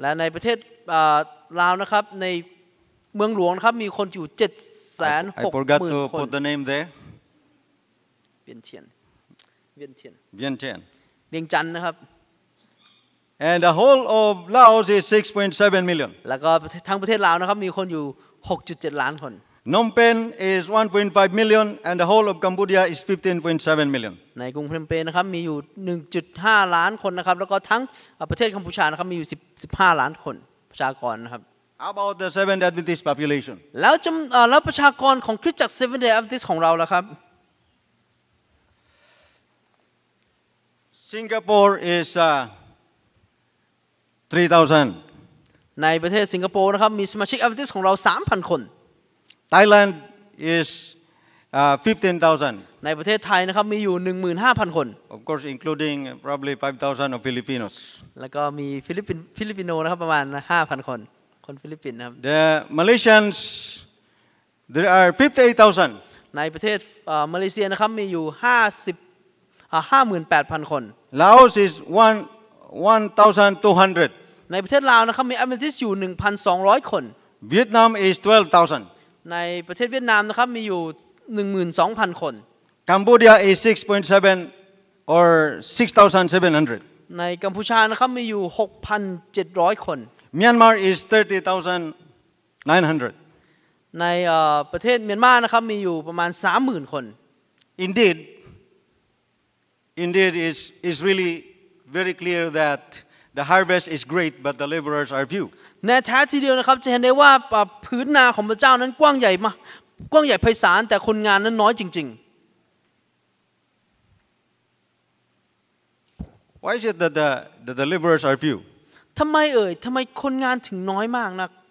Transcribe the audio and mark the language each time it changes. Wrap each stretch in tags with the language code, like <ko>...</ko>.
<th>และในประเทศลาวนะครับในเมืองหลวงนะครับมีคนอยู่760,000</th> <en>I forgot to put the name there.</en> <th>Vientiane. เวียงจันทน์นะครับ</th> <en>And the whole of Laos is 6.7 million.</en> <th>แล้วก็ทั้งประเทศลาวนะครับมีคนอยู่ 6.7 ล้านคน</th> <en>Phnom Penh is 1.5 million and the whole of Cambodia is 15.7 million.</en> <th>ในกรุงเทพฯนะครับมีอยู่ 1.5 ล้านคนนะครับแล้วก็ทั้งประเทศกัมพูชานะครับมีอยู่15ล้านคนประชากรนะครับ</th> <en>How about the Seventh-day Adventist population?</en> <th>แล้วประชากรของคริสตจักร Seventh-day Adventist ของเราล่ะครับ</th> <en>Singapore is 3,000.</en> <th>ในประเทศสิงคโปร์นะครับมีสมาชิกอเวนทิสของเรา 3,000 คน</th> <en>Thailand is 15,000.</en> <th>ในประเทศไทยนะครับมีอยู่ 15,000 คน</th> <en>Of course including probably 5,000 of Filipinos.</en> <th>แล้วก็มีฟิลิปปินโนนะครับประมาณ 5,000 คนคนฟิลิปปินส์นะครับ</th> <en>The Malaysians there are 58,000.</en> <th>ในประเทศมาเลเซียนะครับมีอยู่58,000 คน</th> <en>Laos is 1,200.</en> <th>ในประเทศลาวนะครับมีอเวนทิสอยู่ 1,200 คน</th> <en>Vietnam is 12,000.</en> <th>ในประเทศเวียดนามนะครับมีอยู่12,000 คน</th> <en>Cambodia is 6.7 or 6,700</en> <th>ในกัมพูชานะครับมีอยู่ 6,700 คน</th> <en>Myanmar is 30,900</en> <th>ในประเทศเมียนมานะครับมีอยู่ประมาณ 30,000 คน</th> <en>Indeed is really very clear that the harvest is great but the laborers are few</en> <th>แน่แท้ทีเดียวนะครับจะเห็นได้ว่าพื้นนาของพระเจ้านั้นกว้างใหญ่มากกว้างใหญ่ไพศาลแต่คนงานนั้นน้อยจริง</th> <en>ๆ Why is it that the laborers are few?</en> <th>ทำไมเอ่ยทำไมคนงานถึงน้อยมากนัก</th>